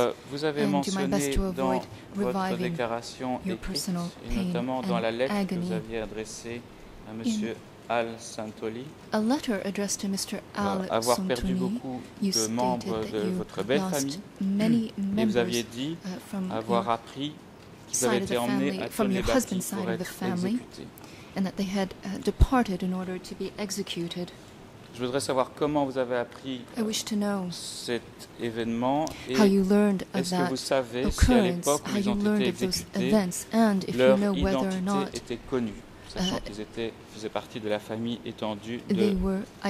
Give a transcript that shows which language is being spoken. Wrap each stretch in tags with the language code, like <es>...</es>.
<fr>Vous avez mentionné dans votre déclaration écrite, et notamment dans la lettre que vous aviez adressée à M. Al Santoli, avoir perdu beaucoup de membres de votre belle famille, et vous aviez dit avoir appris qu'ils avaient été emmenés à Tonnet-Baptiste pour être exécutés,</fr> <en>and that they had departed in order to be executed.</en> <fr>Je voudrais savoir comment vous avez appris cet événement et est-ce que vous savez si à l'époque où ils ont été exécutés, leur identité était connue, sachant qu'ils faisaient partie de la famille étendue de</fr>